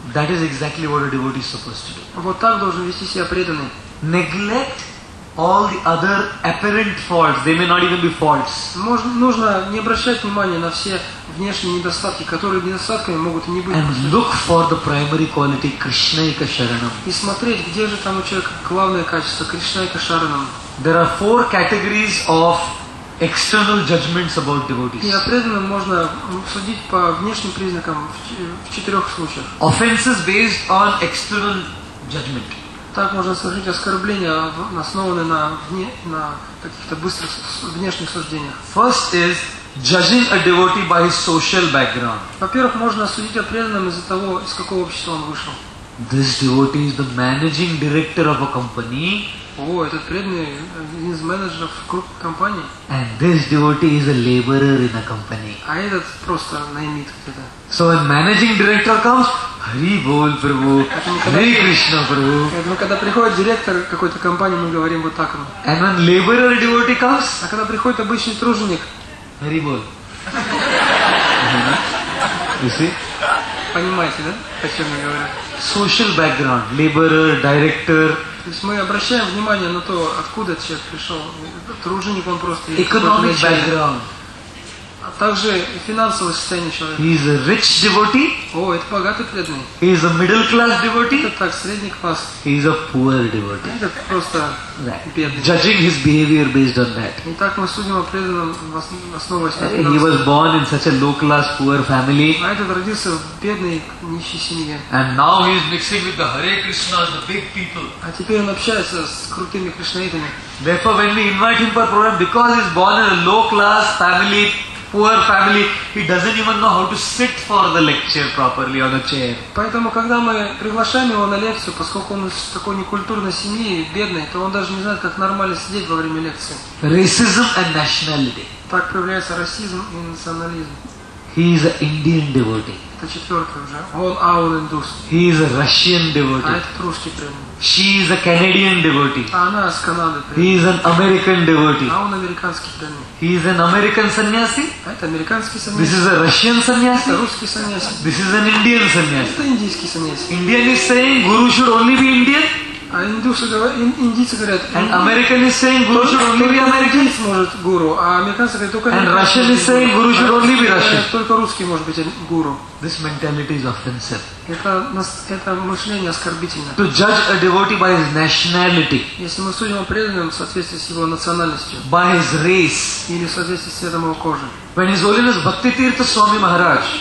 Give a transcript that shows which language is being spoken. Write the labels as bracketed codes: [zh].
[en] That is exactly what a devotee is supposed to do. [ru] Вот так должен вести себя преданный. [en] Neglect all the other apparent faults. They may not even be faults. [ru] Нужно не обращать внимания на все внешние недостатки, которые недостатками могут не быть. [en] And look for the primary quality, Krishnaika Sharanam. [ru] И смотреть, где же там у человека главное качество, Krishnaika Sharanam. [en] There are four categories of external judgments about devotees. [ru] И о преданном можно судить по внешним признакам в четырех случаях. [en] Offenses based on external judgment. [ru] Так можно совершить оскорбления, основанные на каких-то быстрых внешних суждениях. [en] First is judging a devotee by his social background. [ru] Во-первых, можно судить о преданном из-за того, из какого общества он вышел. [en] This devotee is the managing director of a company. [ru] О, этот преданный один из менеджеров крупной компании. [en] And this devotee is a laborer in a company. [ru] А этот просто наймит где-то. [en] So when managing director comes, Hari Bol Prabhu, Hari Krishna Prabhu. [ru] Поэтому когда приходит директор какой-то компании, мы говорим вот так ему. [en] And when laborer devotee comes, [ru] а когда приходит обычный труженик, [en] Hari Bol. You see? [ru] Понимаете, да? О чем я говорю? [en] Social background, laborer, director. [ru] То есть мы обращаем внимание на то, откуда человек пришел. Труженик он просто. [en] Economic background. [ru] А также и финансовое состояние человека. [en] He is a rich devotee. [ru] О, это богатый преданный. [en] He is a middle class devotee. [ru] Это так, средний класс. [en] He is a poor devotee. [ru] Это просто бедный. [en] Judging his behavior based on that. [ru] Итак, мы судим о преданном основываясь на финансах. [en] He was born in such a low class poor family. [ru] А этот родился в бедной нищей семье. [en] And now he is mixing with the Hare Krishnas, the big people. [ru] А теперь он общается с крутыми кришнаитами. [en] Therefore, when we invite him for program, because he is born in a low class family, poor family, he doesn't even know how to sit for the lecture properly on a chair. [ru] Поэтому когда мы приглашаем его на лекцию, поскольку он из такой некультурной семьи, бедной, то он даже не знает, как нормально сидеть во время лекции. [en] Racism and nationality. [ru] Так проявляется расизм и национализм. [en] He is an Indian devotee. [ru] Это четвертый уже. Он аур индус. [en] He is a Russian devotee. [ru] А это русский преданный. [en] She is a Canadian devotee. [ru] Она из Канады. [en] He is an American devotee. [ru] А он американский преданный. [en] He is an American sannyasi. [ru] Это американский [en] sannyasi. This is a Russian sannyasi. [ru] Это русский sannyasi. [en] This is an Indian sannyasi. [ru] Это индийский sannyasi. [en] Indian is saying guru should only be Indian. [ru] А индусы говорят, индийцы говорят. [en] And American is saying guru should only be American. [ru] Может гуру, а американцы говорят только. [en] And Russian is saying guru should only be Russian. [ru] Только русский может быть гуру. [en] This mentality is offensive. [ru] Это мышление оскорбительно. [en] To judge a devotee by his nationality. [ru] Если мы судим о преданном в соответствии с его национальностью. [en] By his race. [ru] Или в соответствии с цветом его кожи. [en] When His Holiness Bhakti Tirtha Swami Maharaj.